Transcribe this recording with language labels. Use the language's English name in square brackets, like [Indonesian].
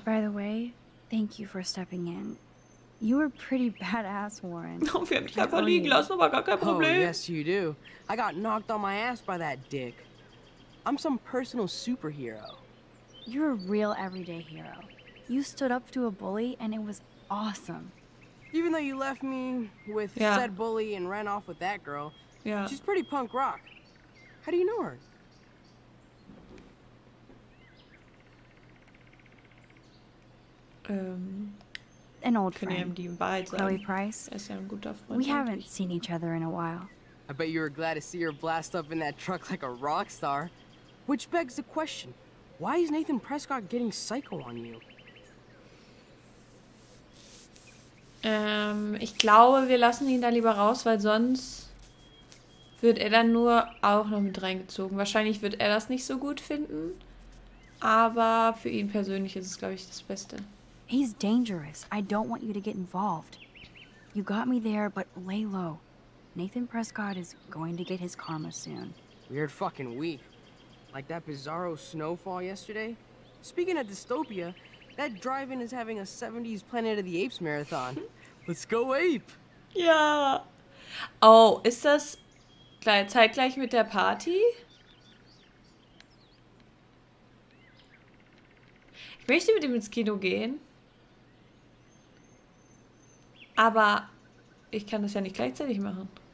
[English] By the way, thank you for stepping in. You were pretty badass, Warren. [German] Oh, wir haben dich einfach liegen lassen, aber gar kein Problem. [English] Oh, yes, you do. I got knocked on my ass by that dick. I'm some personal superhero. You're a real everyday hero. You stood up to a bully and it was awesome. Even though you left me with said bully and ran off with that girl, she's pretty punk rock. How do you know her? An old friend. [German] Können wir ihm die Wahrheit sagen? [English] Chloe Price. [German] Er ist ja ein guter Freund. [English] We haven't seen each other in a while. I bet you were glad to see her blast up in that truck like a rock star. Which begs the question, why is Nathan Prescott getting psycho on you? [German] Ich glaube, wir lassen ihn da lieber raus, weil sonst wird er dann nur auch noch mit reingezogen. Wahrscheinlich wird er das nicht so gut finden, aber für ihn persönlich ist es, glaube ich, das Beste. [English] He's dangerous. I don't want you to get involved. You got me there, but lay low. Nathan Prescott is going to get his karma soon. Weird fucking week. Like that bizarro snowfall yesterday? Speaking of dystopia, that drive-in is having a 70s Planet of the Apes marathon. Let's go ape! Yeah. [German] Oh, ist das zeitgleich mit der Party? Ich möchte mit ihm ins Kino gehen. Aber ich kann das ja nicht gleichzeitig machen.